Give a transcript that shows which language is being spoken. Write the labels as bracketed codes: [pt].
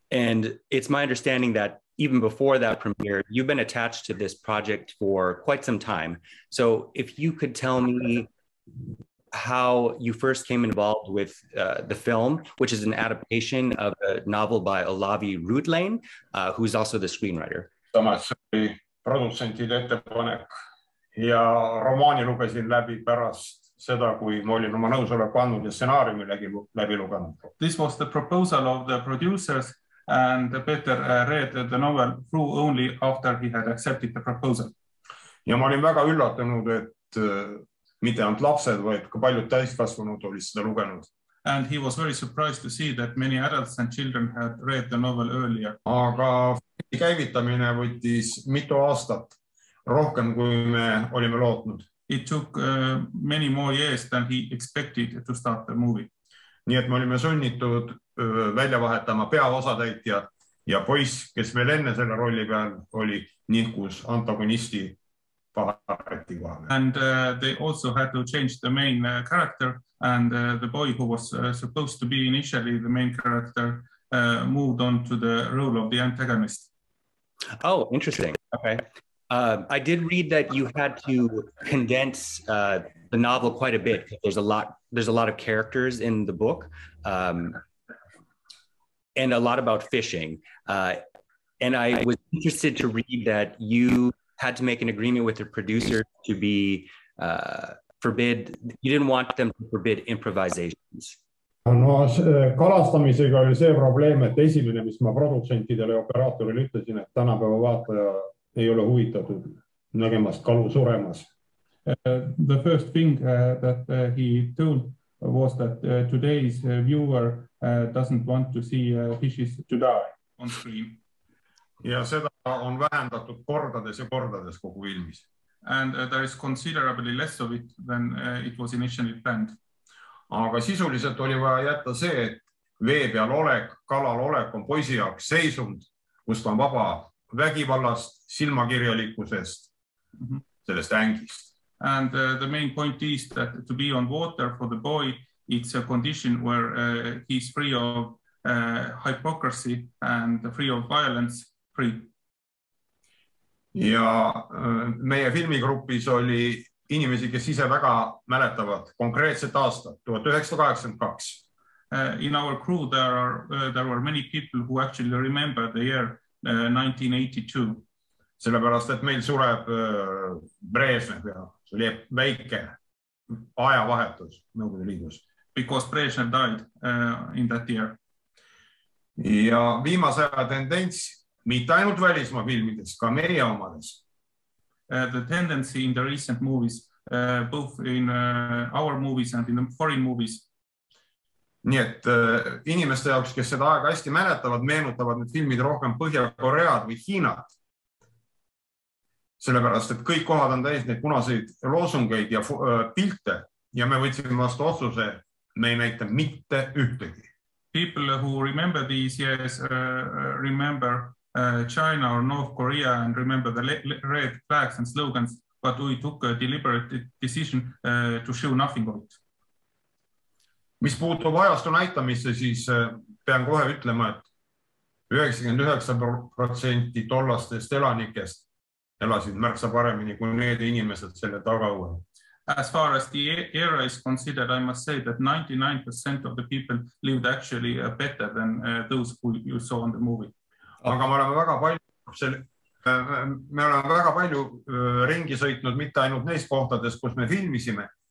[en] And it's my understanding that even before that premiere, you've been attached to this project for quite some time. So if you could tell me how you first came involved with the film, which is an adaptation of a novel by Olavi Ruitlane, who's also the screenwriter. Thomas, the producer of the film. [et] Ja romaani lugesin läbi pärast seda, kui ma olin oma nõusoleku andnud ja stsenaariumi läbi lugenud. [en] This was the proposal of the producers and Peeter read the novel through only after he had accepted the proposal. [et] Ja ma olin väga üllatunud, et mitte ainult lapsed, vaid ka paljud täiskasvanud olid seda lugenud. [en] And he was very surprised to see that many adults and children had read the novel earlier. [et] Aga käivitamine võttis mitu aastat. Rohkem kui me olime lootnud. [en] It took many more years than he expected to start the movie. [et] Nii et me olime sunnitud välja vahetama peaosatäitja ja poiss, kes meil enne selle rolli peal oli nihkus antagonisti paharati kohale. [en] And they also had to change the main character and the boy who was supposed to be initially the main character moved on to the role of the antagonist. Oh, interesting. Okay. I did read that you had to condense the novel quite a bit. There's a lot of characters in the book and a lot about fishing. And I was interested to read that you had to make an agreement with the producer to be forbid. You didn't want them to forbid improvisations. [et] No, kalastamisega oli see probleem, et esimene, mis ma produtsentidele ja operaatorile ütlesin, et tänapäeva vaataja ei ole huvitatud nägemast kalu suremas. [en] The first thing that he told was that today's viewer doesn't want to see fishes to die on screen. [et] Ja seda on vähendatud kordades ja kordades kogu filmis. [en] And there is considerably less of it than it was initially planned. [et] Aga sisuliselt oli vaja jätta see, et vee peal olek, kalal olek on poisi jaoks seisund, kus ta on vaba vägivallast, silmakirjalikusest, sellest ängist. [en] And the main point is that to be on water for the boy, it's a condition where he's free of hypocrisy and free of violence, free. [et] Ja meie filmigruppis oli inimesi, kes ise väga mäletavad konkreetset aastat, 1982. [en] In our crew there were many people who actually remember the year 1982. [et] Sellepärast, et meil sureb Brežnev ja see oli väike ajavahetus Nõukogude Liidus. [en] Because Brežnev died in that year. [et] Ja viimase aja tendents, mitte ainult välisma filmides, ka meie omades. [en] The tendency in the recent movies, both in our movies and in the foreign movies. [et] Nii et inimeste jaoks, kes seda aega hästi mäletavad, meenutavad need filmid rohkem Põhja-Koread või Hiinat. Sellepärast, et kõik kohad on täis need punaseid loosungeid ja pilte ja me võtsime vastu otsuse, me ei näita mitte ühtegi. [en] People who remember these years remember China or North Korea and remember the red flags and slogans, but we took a deliberate decision to show nothing of it. [et] Mis puutub ajastu näitamisse, siis pean kohe ütlema, et 99% tollastest elanikest elasid märksa paremini kui need inimesed selle tagauel. [en] As far as the era is considered, I must say that 99% of the people lived actually better than those who you saw on the movie. [et] Aga me oleme väga palju ringi sõitnud mitte ainult neis kohtades, kus me filmisime.